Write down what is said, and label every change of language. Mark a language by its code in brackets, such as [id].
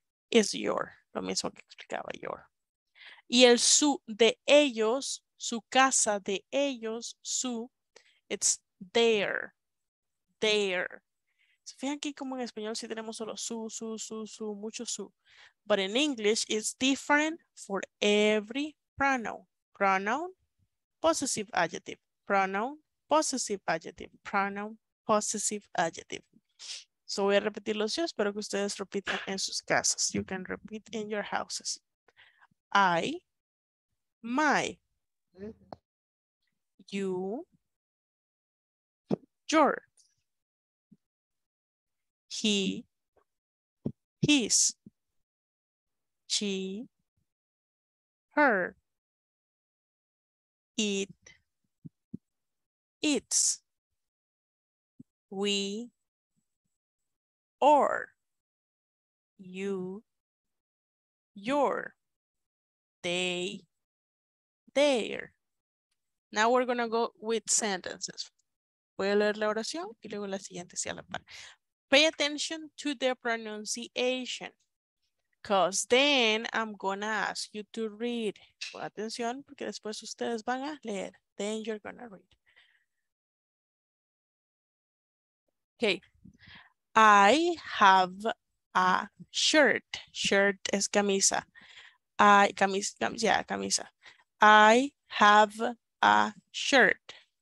[es] Is your, lo mismo que explicaba your. Y el su de ellos, su casa de ellos, su, [en] it's their. [es] So, fíjense aquí como en español sí tenemos solo su, mucho su. [en] But in English, it's different for every pronoun. Pronoun, possessive adjective. Pronoun, possessive adjective. Pronoun, possessive adjective. [es] So voy a repetir los yo, espero que ustedes repitan en sus casas. [en] You can repeat in your houses. I, my, you, your, he, his, she, her, it, its, we, or, you, your, they, their. Now we're going to go with sentences. [es] Voy a leer la oración y luego la siguiente sí a la par. [en] Pay attention to their pronunciation, because then I'm going to ask you to read. [es] Pon atención porque después ustedes van a leer. [en] Then you're going to read. Okay. I have a shirt. Shirt es camisa. camisa. I have a shirt.